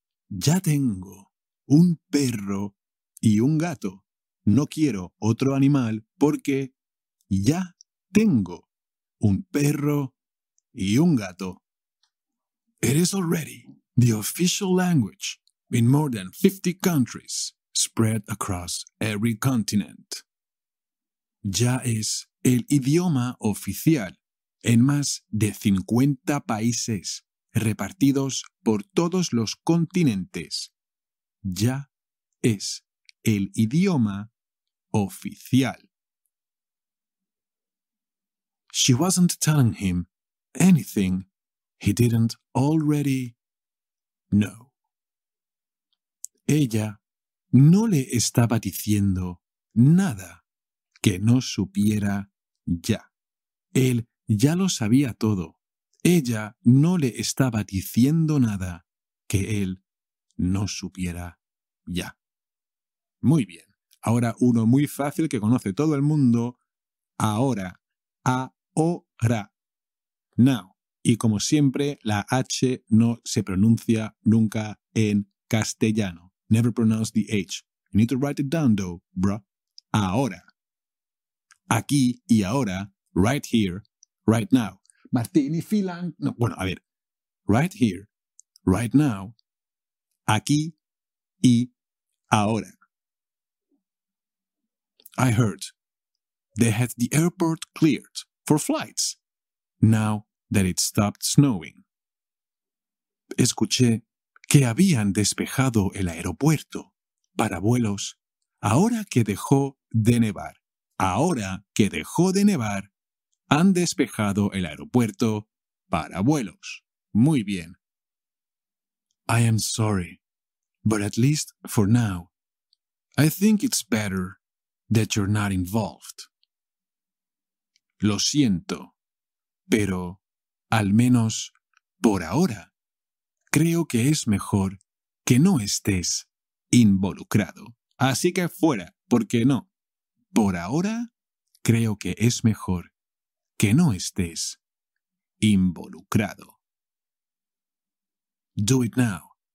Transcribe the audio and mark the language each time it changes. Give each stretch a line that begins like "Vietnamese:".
Spanish: Ya tengo un perro y un gato. No quiero otro animal porque ya tengo un perro y un gato.
English: It is already the official language in more than 50 countries spread across every continent.
Spanish: Ya es el idioma oficial en más de 50 países repartidos por todos los continentes. Ya es el idioma oficial.
English: She wasn't telling him anything he didn't already know.
Spanish: Ella no le estaba diciendo nada que no supiera ya. Él ya lo sabía todo. Ella no le estaba diciendo nada que él no supiera ya. Muy bien. Ahora uno muy fácil que conoce todo el mundo. Ahora. Ahora.
English: Now.
Spanish: Y como siempre, la H no se pronuncia nunca en castellano.
English: Never pronounce the H. You need to write it down, though, bro.
Spanish: Ahora. Aquí y ahora.
English: Right here. Right now.
Spanish: Martín y Filan. No, bueno, a ver.
English: Right here. Right now.
Spanish: Aquí y ahora.
English: I heard they had the airport cleared for flights now that it stopped snowing.
Spanish: Escuché que habían despejado el aeropuerto para vuelos ahora que dejó de nevar. Ahora que dejó de nevar, han despejado el aeropuerto para vuelos. Muy bien.
English: I am sorry. But at least for now, I think it's better that you're not involved.
Spanish: Lo siento, pero al menos por ahora, creo que es mejor que no estés involucrado. Así que fuera, ¿por qué no? Por ahora, creo que es mejor que no estés involucrado.
English: Do it now.